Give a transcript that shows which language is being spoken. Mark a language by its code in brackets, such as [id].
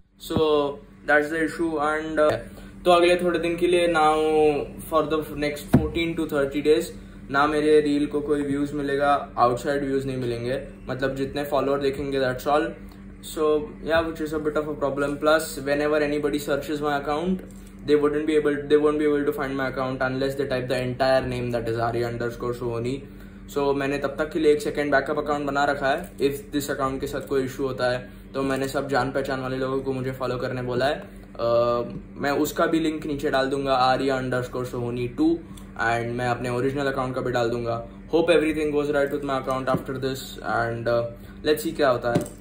[en] so that's the issue and [hi] तो अगले थोड़े दिन के लिए [en] now for the next 14-30 days [hi] ना मेरे रील को कोई व्यूज मिलेगा, आउटसाइड व्यूज नहीं मिलेंगे, मतलब जितने फॉलोअर देखेंगे [en] That's all. So yeah which is a bit of a problem. Plus whenever anybody searches my account they won't be able to find my account unless they type the entire name that is Arya_Sohoni. So [hi] मैंने तब तक के लिए एक second backup account बना रखा है। [en] If this account [hi] के साथ कोई इशू होता है तो मैंने सब जान पहचान वाले लोगों को मुझे फॉलो करने बोला है। मैं उसका भी लिंक नीचे डाल दूंगा Arya_Sohoni2 एंड मैं अपने ओरिजिनल अकाउंट का भी डाल दूंगा। [en] hope everything goes right with my account after this and let's see [hi] क्या होता है।